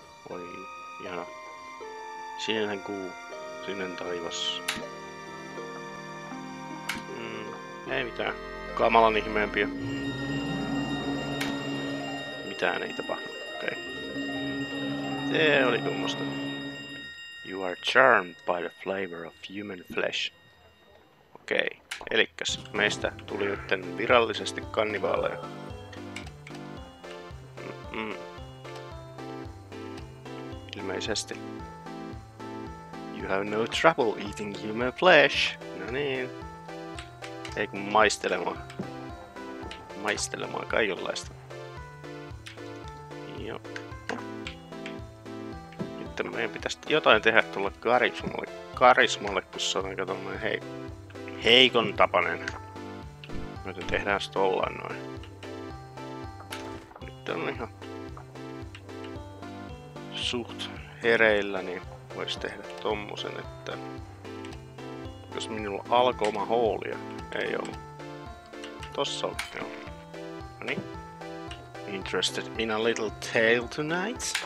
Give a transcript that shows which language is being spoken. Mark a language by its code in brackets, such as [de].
[fi] Oi, ihana. Sininen kuu, sininen taivas. Ei mitään. Kamalan ihmeempiä. Mitään ei tapahdu. Okei. Okay. Se oli kummosta. [en] You are charmed by the flavor of human flesh. [fi] Okei, okay. Elikkäs meistä tuli nytten virallisesti kannibaaleja. Ilmeisesti. [en] You have no trouble eating human flesh. [fi] No niin. Ei kun maistelemaan. Maistelemaan kaikenlaista. Joo. Sitten meidän pitäisi jotain tehdä tuolle karismalle. Karismalle, kun se on aika tommonen heikon tapanen. Joten tehdään sit ollaan noin. Nyt on ihan suht hereillä, niin voisi tehdä tommosen, että jos minulla alkoi oma hoolia, ei oo. Tossa on, joo. Noniin. [en] Interested in a little tale tonight?